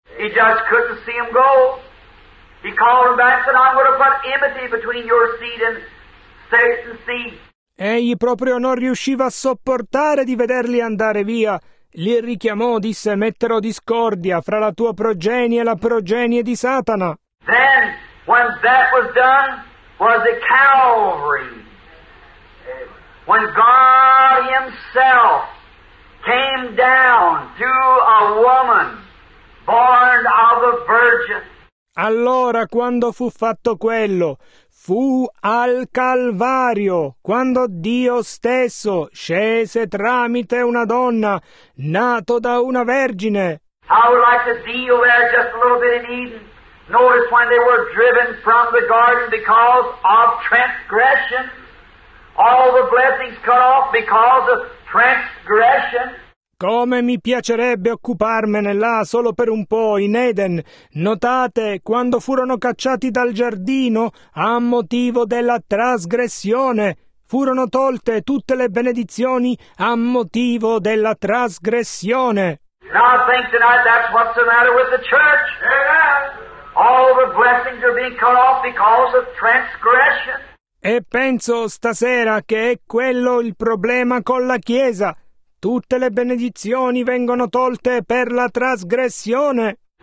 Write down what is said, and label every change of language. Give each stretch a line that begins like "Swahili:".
English: He just couldn't see him go. He called him back and said, I'm going to put enmity between your seed and Satan's seed.
Italian: Egli proprio non riusciva a sopportare di vederli andare via. Li richiamò, disse, metterò discordia fra la tua progenie e la progenie di Satana.
English: Then, when that was done, was at Calvary. When God himself came down to a woman born of a virgin.
Italian: Allora, quando fu fatto quello? Fu al Calvario, quando Dio stesso scese tramite una donna, nato da una vergine.
English: I would like to deal there just a little bit in Eden. Notice when they were driven from the garden because of transgression. All the blessings cut off because of transgression.
Italian: Come mi piacerebbe occuparmene là solo per un po', in Eden. Notate, quando furono cacciati dal giardino, a motivo della trasgressione, furono tolte tutte le benedizioni a motivo della trasgressione.
English: Now I think tonight that's what's the matter with the church. All the blessings are being cut off because of transgression.
Italian: E penso stasera che è quello il problema con la Chiesa. Tutte le benedizioni vengono tolte per la trasgressione.